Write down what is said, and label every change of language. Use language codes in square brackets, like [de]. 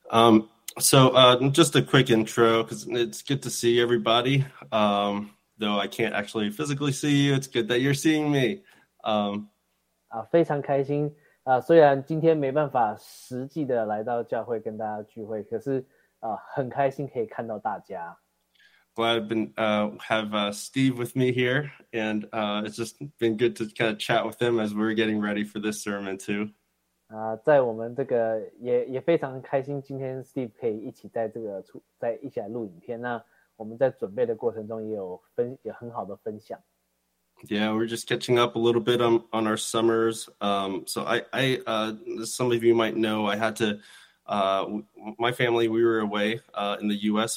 [en] a quick intro, because it's good to see everybody. Though I can't actually physically see you, it's good that you're seeing me. [zh] 非常开心，虽然今天没办法实际的来到教会跟大家聚会，可是很开心可以看到大家。 [en] Glad I've been have Steve with me here, and it's just been good to kind of chat with him as we're getting ready for this sermon too. [zh] 在我们这个也非常开心，今天Steve可以一起在这个出在一起来录影片呢。 [en] Yeah, we're just catching up a little bit on our summers. So some of you might know, I had to, my family, we were away in the U.S.